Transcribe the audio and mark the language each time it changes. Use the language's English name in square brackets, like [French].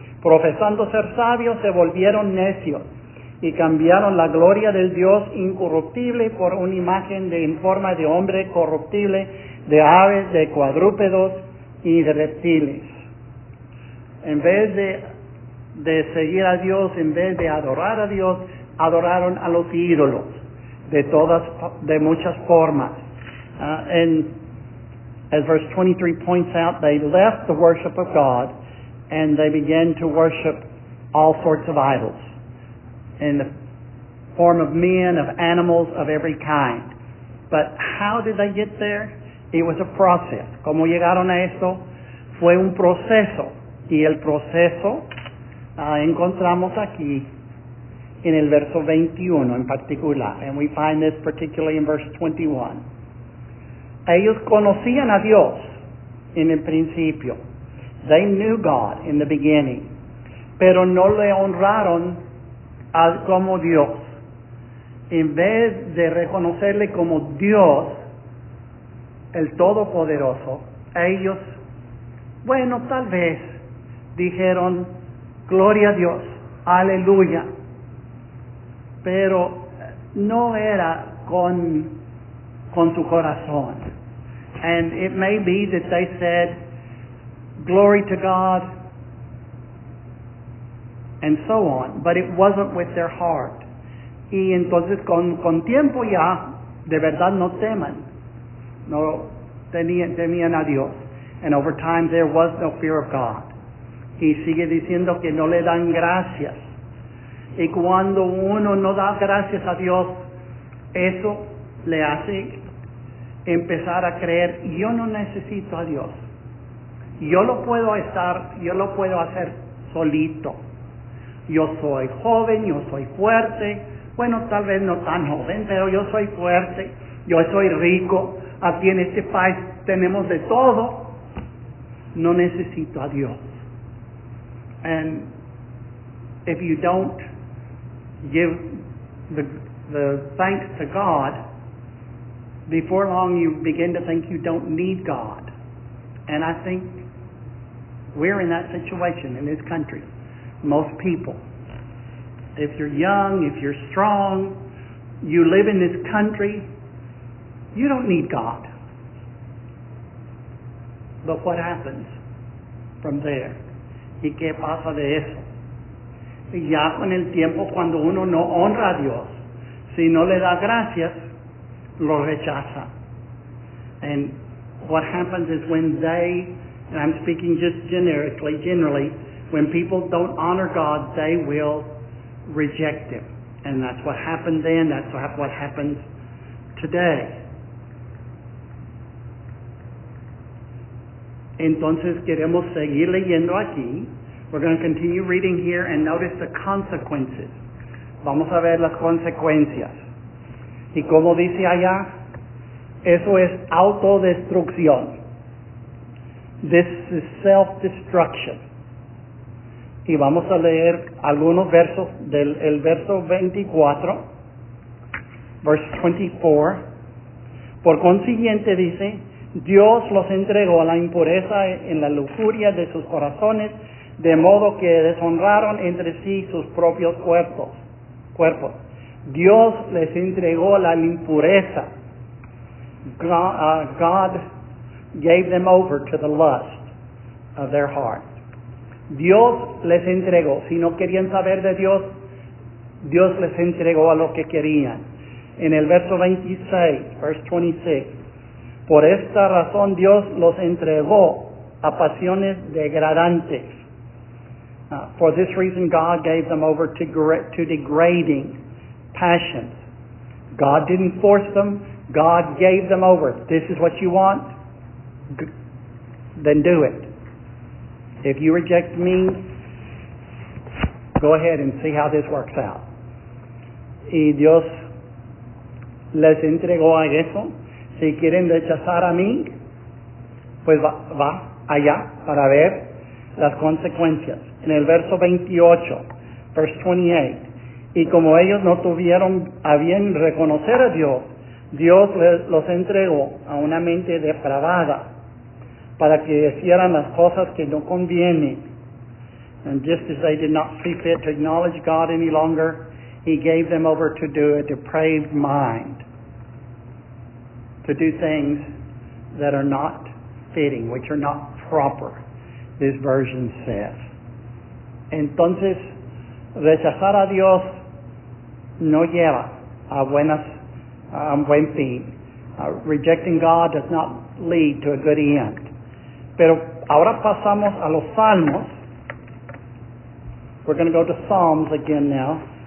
[Spanish] Profesando ser sabios, se volvieron necios y cambiaron la gloria del Dios incorruptible por una imagen de forma de hombre corruptible, de aves, de cuadrúpedos y de reptiles. En vez de seguir a Dios, en vez de adorar a Dios, adoraron a los ídolos de muchas formas. [English] And as verse 23 points out, they left the worship of God and they began to worship all sorts of idols in the form of men, of animals, of every kind. But how did they get there? It was a process. [Spanish] ¿Cómo llegaron a esto? Fue un proceso. Y el proceso encontramos aquí en el verso 21 en particular. [English] And we find this particularly in verse 21. [Spanish] Ellos conocían a Dios en el principio. [English] They knew God in the beginning. [Spanish] Pero no le honraron como Dios. En vez de reconocerle como Dios, el Todopoderoso, ellos, bueno, tal vez, dijeron, gloria a Dios, aleluya. Pero no era con su corazón. [English] And it may be that they said, glory to God, and so on. But it wasn't with their heart. [Spanish] Y entonces con tiempo ya, de verdad no teman. No temían a Dios. [English] And over time there was no fear of God. [Spanish] Y sigue diciendo que no le dan gracias. Y cuando uno no da gracias a Dios, eso le hace empezar a creer, yo no necesito a Dios. Yo lo puedo hacer solito. Yo soy joven, yo soy fuerte. Bueno, tal vez no tan joven, pero yo soy fuerte. Yo soy rico. Aquí en este país tenemos de todo. No necesito a Dios. [English] And if you don't give the thanks to God, before long you begin to think you don't need God. And I think we're in that situation in this country. Most people, if you're young, if you're strong, you live in this country, you don't need God. But what happens from there? [Spanish] ¿Y qué pasa de eso? Y ya con el tiempo, cuando uno no honra a Dios, si no le da gracias, lo rechaza. [English] And what happens is when they, and I'm speaking just generally, when people don't honor God, they will reject Him. And that's what happened then, that's what happens today. [Spanish] Entonces queremos seguir leyendo aquí. [English] We're going to continue reading here and notice the consequences. [Spanish] Vamos a ver las consecuencias. Y como dice allá, eso es autodestrucción. [English] This is self-destruction. [Spanish] Y vamos a leer algunos versos del el verso 24, [English] verse 24. [Spanish] Por consiguiente dice, Dios los entregó a la impureza en la lujuria de sus corazones, de modo que deshonraron entre sí sus propios cuerpos. Dios les entregó la impureza. [English] God gave them over to the lust of their heart. [Spanish] Dios les entregó. Si no querían saber de Dios, Dios les entregó a lo que querían. En el verso 26, [English] verse 26. [Spanish] Por esta razón Dios los entregó a pasiones degradantes. [English] For this reason God gave them over to degrading passions. God didn't force them. God gave them over. This is what you want? Then do it. If you reject me, go ahead and see how this works out. [Spanish] Y Dios les entregó a eso. Si quieren rechazar a mí, pues va allá para ver las consecuencias. En el verso 28, [English] verse 28, [Spanish] y como ellos no tuvieron a bien reconocer a Dios, Dios los entregó a una mente depravada para que hicieran las cosas que no convienen. [English] And just as they did not see fit to acknowledge God any longer, He gave them over to do a depraved mind. To do things that are not fitting, which are not proper, this version says. [Spanish] Entonces, rechazar a Dios no lleva a buen fin. [English] Rejecting God does not lead to a good end. [Spanish] Pero ahora pasamos a los Salmos. [English] We're going to go to Psalms again now.